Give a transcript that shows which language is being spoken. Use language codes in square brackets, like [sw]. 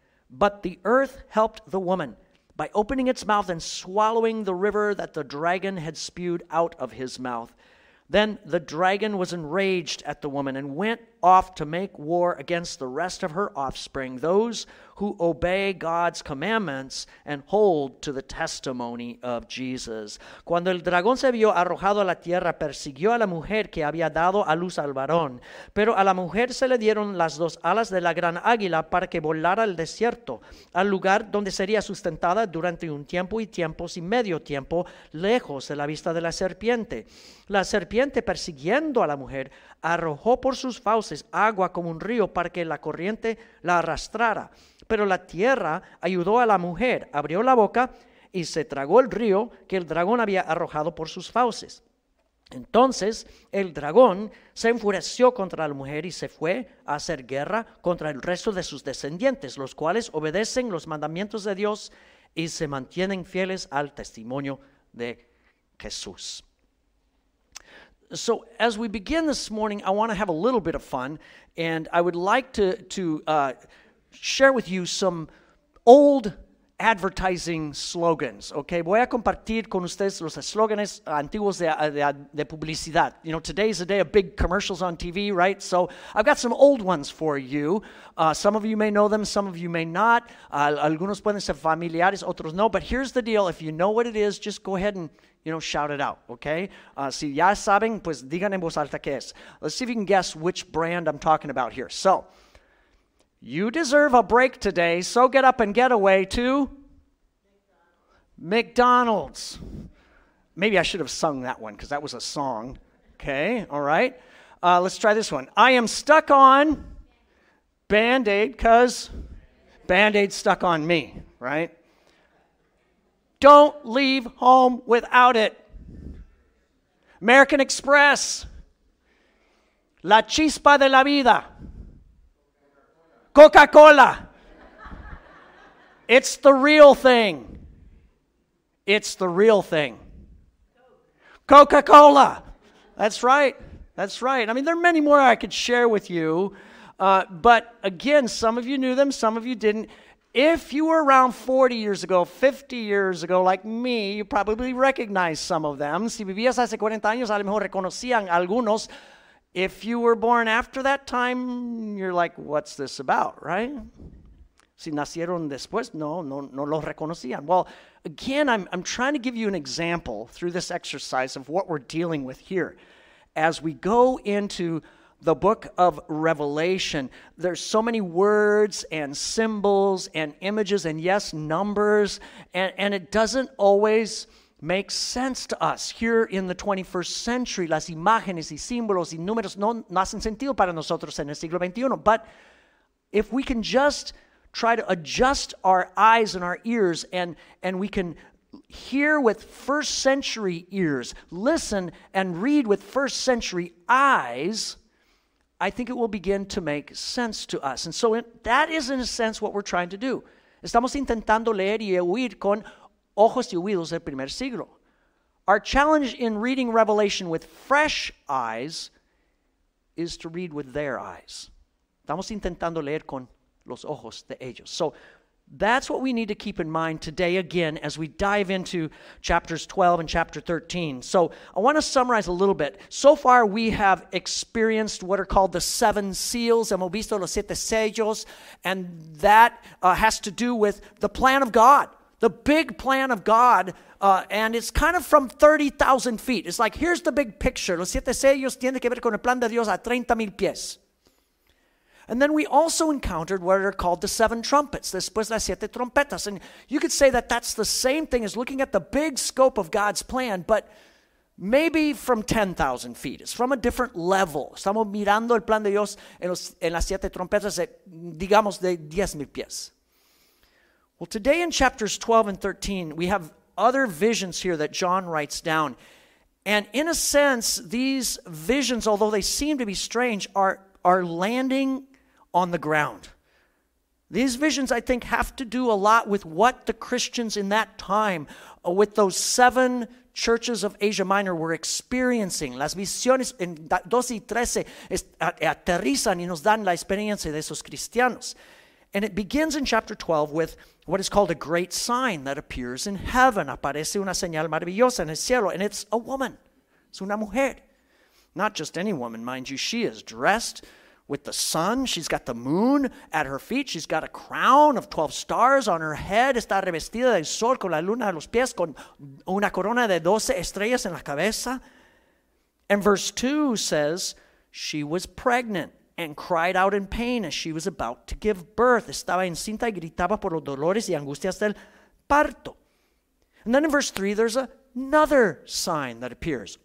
[en] But the earth helped the woman by opening its mouth and swallowing the river that the dragon had spewed out of his mouth. Then the dragon was enraged at the woman and went off to make war against the rest of her offspring, those who obey God's commandments and hold to the testimony of Jesus. [es] Cuando el dragón se vio arrojado a la tierra, persiguió a la mujer que había dado a luz al varón. Pero a la mujer se le dieron las dos alas de la gran águila para que volara al desierto, al lugar donde sería sustentada durante un tiempo y tiempos y medio tiempo, lejos de la vista de la serpiente. La serpiente, persiguiendo a la mujer, arrojó por sus fauces agua como un río para que la corriente la arrastrara. Pero la tierra ayudó a la mujer, abrió la boca y se tragó el río que el dragón había arrojado por sus fauces. Entonces el dragón se enfureció contra la mujer y se fue a hacer guerra contra el resto de sus descendientes, los cuales obedecen los mandamientos de Dios y se mantienen fieles al testimonio de Jesús. [en] So as we begin this morning, I want to have a little bit of fun, and I would like to share with you some old advertising slogans, okay? [es] Voy a compartir con ustedes los slogans antiguos de publicidad. [en] You know, today's a day of big commercials on TV, right? So I've got some old ones for you. Some of you may know them, some of you may not. [es] Algunos pueden ser familiares, otros no. [en] But here's the deal. If you know what it is, just go ahead and, you know, shout it out, okay? [es] Si ya saben, pues digan en voz alta qué es. [en] Let's see if you can guess which brand I'm talking about here. So, you deserve a break today, so get up and get away to McDonald's. Maybe I should have sung that one because that was a song. Okay, all right. Let's try this one. I am stuck on Band-Aid because Band-Aid stuck on me, right? Don't leave home without it. American Express. [es] La chispa de la vida. Coca-Cola. [en] It's the real thing. It's the real thing. Coca-Cola. That's right. That's right. I mean, there are many more I could share with you. But again, some of you knew them, some of you didn't. If you were around 40 years ago, 50 years ago, like me, you probably recognize some of them. [es] Si vivías hace 40 años, a lo mejor reconocían algunos. [en] If you were born after that time, you're like, what's this about, right? [es] Si nacieron después, no los reconocían. [en] Well, again, I'm trying to give you an example through this exercise of what we're dealing with here. As we go into the book of Revelation, there's so many words and symbols and images and, yes, numbers, and it doesn't always makes sense to us here in the 21st century. [es] Las imágenes y símbolos y números no hacen sentido para nosotros en el siglo XXI. [en] But if we can just try to adjust our eyes and our ears and we can hear with first century ears, listen and read with first century eyes, I think it will begin to make sense to us. And so that is, in a sense, what we're trying to do. [es] Estamos intentando leer y oír con ojos y oídos del primer siglo. [en] Our challenge in reading Revelation with fresh eyes is to read with their eyes. [es] Estamos intentando leer con los ojos de ellos. [en] So that's what we need to keep in mind today again as we dive into chapters 12 and chapter 13. So I want to summarize a little bit. So far we have experienced what are called the seven seals. [es] Hemos visto los siete sellos. [en] And that has to do with the plan of God. The big plan of God, and it's kind of from 30,000 feet. It's like, here's the big picture. [es] Los siete sellos tienen que ver con el plan de Dios a 30,000 pies. [en] And then we also encountered what are called the seven trumpets, [es] después las siete trompetas. [en] And you could say that that's the same thing as looking at the big scope of God's plan, but maybe from 10,000 feet. It's from a different level. [es] Estamos mirando el plan de Dios en las siete trompetas, digamos, de 10,000 pies. [en] Well, today in chapters 12 and 13, we have other visions here that John writes down. And in a sense, these visions, although they seem to be strange, are landing on the ground. These visions, I think, have to do a lot with what the Christians in that time, with those seven churches of Asia Minor, were experiencing. [es] Las visiones en 12 y 13 aterrizan y nos dan la experiencia de esos cristianos. [en] And it begins in chapter 12 with what is called a great sign that appears in heaven. [es] Aparece una señal maravillosa en el cielo. [en] And it's a woman. [es] Es una mujer. [en] Not just any woman, mind you. She is dressed with the sun. She's got the moon at her feet. She's got a crown of 12 stars on her head. [es] Está revestida del sol con la luna a los pies, con una corona de 12 estrellas en la cabeza. [en] And verse 2 says, she was pregnant and cried out in pain as she was about to give birth. [es] Estaba encinta y gritaba por los dolores y angustias del parto. [en] And then in verse 3, there's another sign that appears.